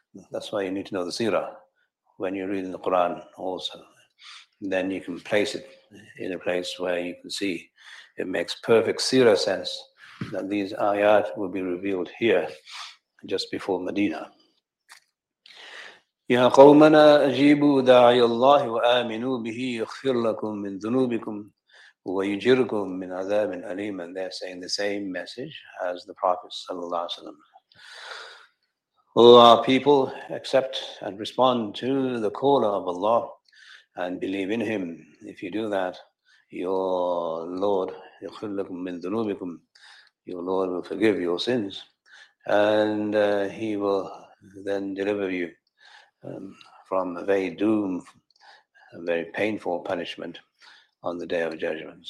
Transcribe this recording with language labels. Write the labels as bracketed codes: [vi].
[en] That's why you need to know the seerah when you're reading the Quran also. Then you can place it in a place where you can see it makes perfect seerah sense that these ayat will be revealed here just before Medina. [ar] يا قومنا أجيبوا داعي الله وآمنوا به يغفر لكم من ذنوبكم ويجركم من عذاب أليم. [en] And they're saying the same message as the Prophet sallallahu alaihi wasallam. Oh, our people, accept and respond to the caller of Allah and believe in him. If you do that, your Lord, [ar] يغفر لكم من ذنوبكم, [en] your Lord will forgive your sins, and he will then deliver you from a very doom, a very painful punishment on the Day of Judgment.